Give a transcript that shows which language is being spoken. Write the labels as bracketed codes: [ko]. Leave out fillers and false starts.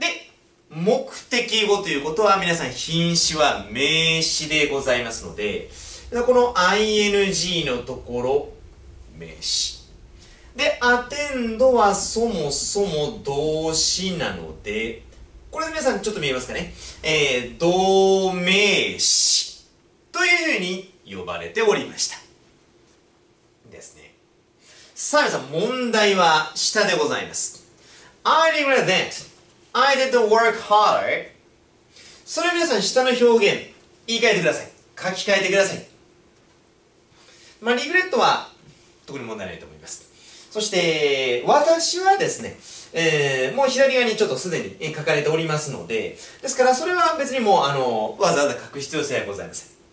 [ja] で、目的語ということは皆さん品詞は名詞でございますので、この ing のところ名詞で、アテンドはそもそも動詞なので、これで皆さんちょっと見えますかね、動名詞というふうに呼ばれておりましたですね。さあ皆さん、問題は下でございます。 [en] I regret thatI didn't work harder. [ja] それを皆さん下の表現言い換えてください。書き換えてください。まあ、リグレットは特に問題ないと思います。そして、私はですね、もう左側にちょっとすでに書かれておりますので、ですからそれは別にもうわざわざ書く必要性はございません。